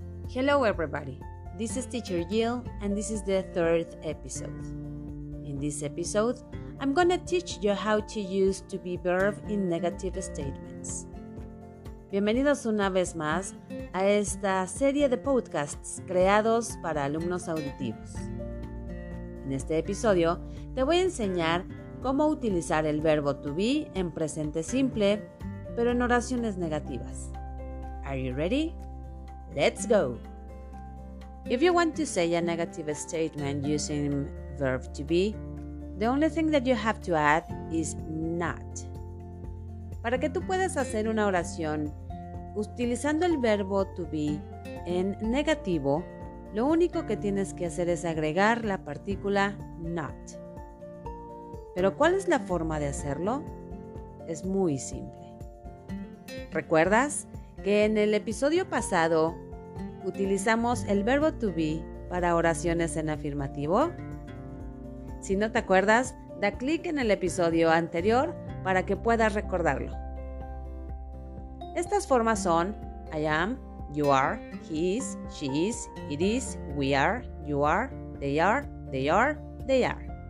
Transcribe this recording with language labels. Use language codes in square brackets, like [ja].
[en] Hello everybody, this is Teacher Jill and this is the third episode. In this episode, I'm gonna teach you how to use to be verb in negative statements. [es] Bienvenidos una vez más a esta serie de podcasts creados para alumnos auditivos. En este episodio, te voy a enseñar cómo utilizar el verbo to be en presente simple, pero en oraciones negativas. [en] Are you ready? Let's go! If you want to say a negative statement using verb to be, the only thing that you have to add is not. [es] Para que tú puedas hacer una oración utilizando el verbo to be en negativo, lo único que tienes que hacer es agregar la partícula not. Pero ¿cuál es la forma de hacerlo? Es muy simple. ¿Recuerdas que en el episodio pasado utilizamos el verbo to be para oraciones en afirmativo? Si no te acuerdas, da clic en el episodio anterior para que puedas recordarlo. Estas formas son [en] I am, you are, he is, she is, it is, we are, you are, they are, [es] they are, they are.